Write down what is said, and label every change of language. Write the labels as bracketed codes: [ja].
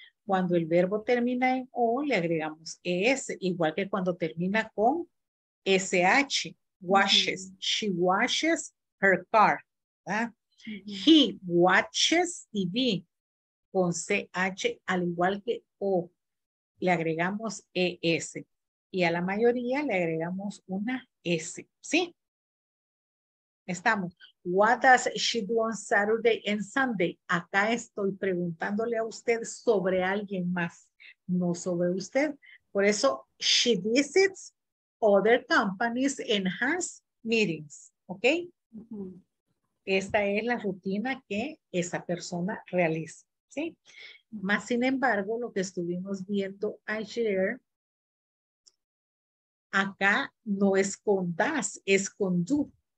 [es] Cuando el verbo termina en O, le agregamos ES, igual que cuando termina con SH, [en] washes, she washes her car. He watches TV [es] con CH, al igual que O. Le agregamos ES y a la mayoría le agregamos una S, ¿sí? Estamos. [en] What does she do on Saturday and Sunday? [es] Acá estoy preguntándole a usted sobre alguien más, no sobre usted. Por eso, [en] she visits other companies and has meetings, ¿ok? [es] Esta es la rutina que esa persona realiza, ¿sí? Más sin embargo, lo que estuvimos viendo ayer, acá no es con das, es con do.